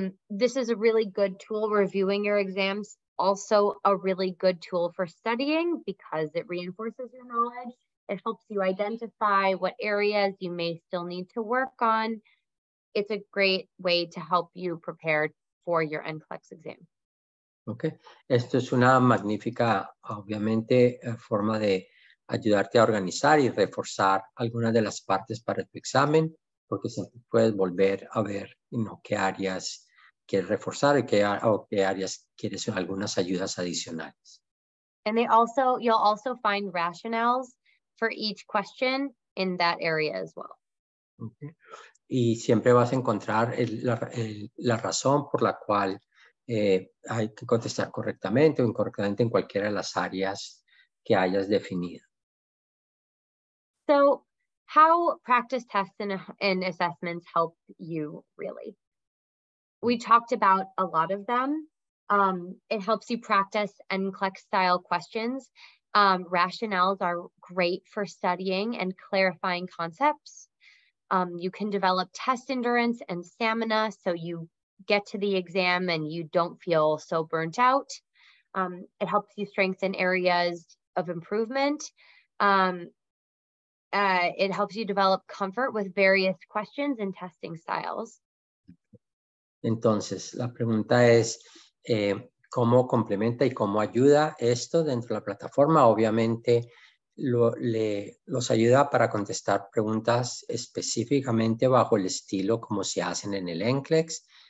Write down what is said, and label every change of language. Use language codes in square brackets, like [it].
[en] This is a really good tool, reviewing your exams. Also a really good tool for studying because it reinforces your knowledge. It helps you identify what areas you may still need to work on. It's a great way to help you prepare for your NCLEX exam. Okay. [es] Esto es una magnífica, obviamente, forma de ayudarte a organizar y reforzar algunas de las partes para tu examen. Porque siempre puedes volver a ver, [en] you know, [es] qué áreas quieres reforzar o qué áreas quieres algunas ayudas adicionales. [en] And they also, you'll also find rationales for each question in that area as well. Okay. [es] Y siempre vas a encontrar la razón por la cual hay que contestar correctamente o incorrectamente en cualquiera de las áreas que hayas definido. [en] So, how practice tests and assessments help you, really? We talked about a lot of them. It helps you practice NCLEX style questions. Rationales are great for studying and clarifying concepts. You can develop test endurance and stamina so you get to the exam and you don't feel so burnt out. It helps you strengthen areas of improvement. It helps you develop comfort with various questions and testing styles. [es] Entonces, la pregunta es, ¿cómo complementa y cómo ayuda esto dentro de la plataforma? Obviamente, los ayuda para contestar preguntas específicamente bajo el estilo como se hacen en el NCLEX.